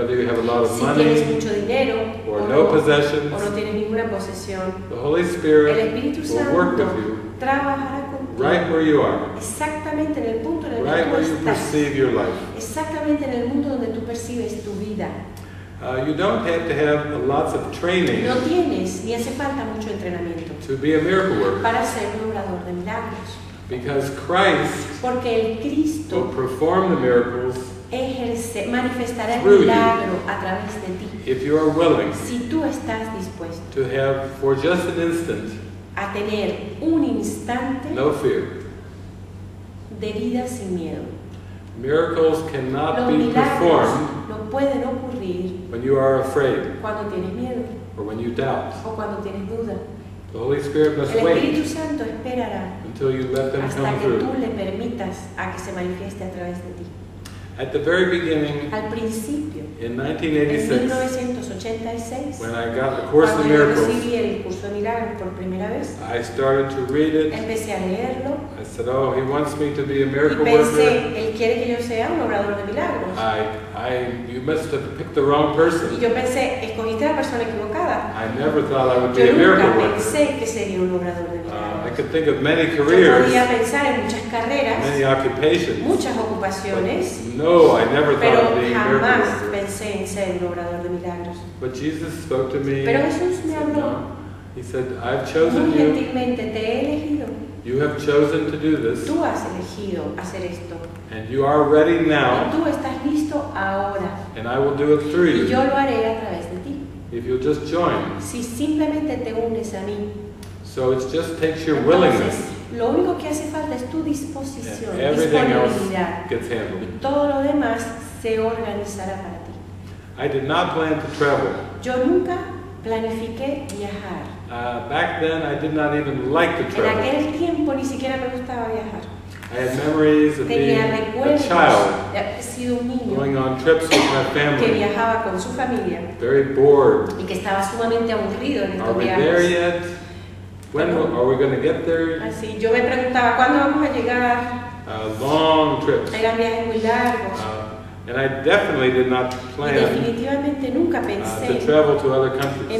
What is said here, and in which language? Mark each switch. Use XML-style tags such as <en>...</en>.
<en>whether you have a lot of</en> <es>si</es> <en>money</en> <es>tienes mucho dinero,</es> <en>or no possessions,</en> <es>o no tienes ninguna posesión,</es> <en>the Holy Spirit</en> <es>el Espíritu Santo</es> <en>will work with you</en> <es>trabajará contigo</es> <en>right where you are,</en> <es>exactamente en el punto en el</es> <en>right</en> <es>que tú</es> <en>where</en> <es>estás,</es> <en>you perceive your life.</en> <es>Exactamente en el mundo donde tú percibes tu vida.</es> <en>You don't have to have lots of training</en> <es>no tienes, ni hace falta mucho entrenamiento</es> <en>to be a miracle worker.</en> <es>Para ser un obrador de milagros.</es> <en>Because Christ</en> <es>Porque el Cristo</es> <en>will perform the miracles</en> <es>ejerce, manifestará el milagro a través de ti.</es> <en>If you are willing</en> <es>si tú estás dispuesto</es> <en>to have, for just an instant,</en> <es>a tener un instante</es> <en>no fear.</en> <es>De vida sin miedo.</es> <en>Miracles cannot</en> <es>Los</es> <en>be performed</en> <es>no pueden ocurrir</es> <en>when you are afraid</en> <es>cuando tienes miedo,</es> <en>or when you doubt.</en> <es>O cuando tienes duda.</es> <en>The Holy Spirit must</en> <es>El Espíritu</es> <en>wait</en> <es>Santo esperará</es> <en>until you let them</en> <es>hasta</es> <en>come</en> <es>que Tú le permitas a que se manifieste a través de ti.</es> <en>At the very beginning,</en> <es>Al principio,</es> <en>in 1986, when I got the Course</en> <es>cuando</es> <en>in Miracles,</en> <es>yo recibí el curso de milagros por primera vez,</es> <en>I started to read it.</en> <es>Empecé a leerlo.</es> <en>I said, oh, he wants me to be a miracle</en> <es>y pensé,</es> <en>worker.</en> <es>Él quiere que yo sea un obrador de milagros.</es> <en>I you must have picked the wrong person.</en> <es>Y yo pensé, escogiste a la persona equivocada.</es> <en>I never thought I would</en> <es>yo</es> <en>be a miracle</en> <es>pensé</es> <en>worker.</en> <es>Que sería un obrador de milagros.</es> <en>I could think of many careers.</en> <es>Yo podía pensar en muchas carreras,</es> <en>many occupations.</en> <es>Muchas ocupaciones.</es> <en>No, I never thought of being a miracle worker.</en> <es>Pensé en ser el obrador de milagros.</es> <en>But Jesus spoke to me.</en> <es>Pero Jesús me habló.</es> <en>He said, I've chosen you.</en> <es>Gentilmente te he elegido.</es> <en>You have chosen to do this.</en> <es>Tú has elegido hacer esto.</es> <en>And you are ready now.</en> <es>Y tú estás listo ahora.</es> <en>And I will do it through you.</en> <es>Y yo lo haré a través de ti.</es> <en>If you'll just join.</en> <es>Si simplemente te unes a mí.</es> <en>So it just takes your</en> <es>entonces,</es> <en>willingness.</en> <es>Lo único que hace falta es tu disposición.</es> <en>And everything else gets handled.</en> <es>Y todo lo demás se organizará para ti.</es> <en>I did not plan to travel.</en> <es>Yo nunca planifiqué viajar.</es> <en>Back then, I did not even like to travel.</en> <es>En aquel tiempo, ni siquiera me gustaba viajar.</es> <en>I had memories of being a child, going on trips with my family,</en> <es>que viajaba con su familia,</es> <en>very bored.</en> <es>Y que estaba sumamente aburrido en estos viajes.</es> <en>Are we there yet? When will, are we going to get there?</en> <es>Así, yo me preguntaba, ¿cuándo vamos a llegar?</es> <en>Long trips.</en> <es>Eran viajes muy largos.</es> <en>And I definitely did not plan to travel to other countries.</en>